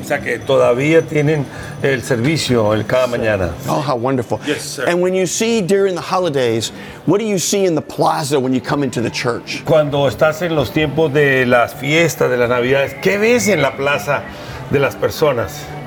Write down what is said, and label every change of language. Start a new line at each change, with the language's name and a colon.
Spanish: O sea que todavía tienen el servicio el cada mañana.
English: Oh, how wonderful. Yes, sir. And when you see during the holidays, what do you see in the plaza when you come into the church?
Spanish: Cuando estás en los tiempos de las fiestas, de las navidades, ¿qué ves en la plaza de las personas?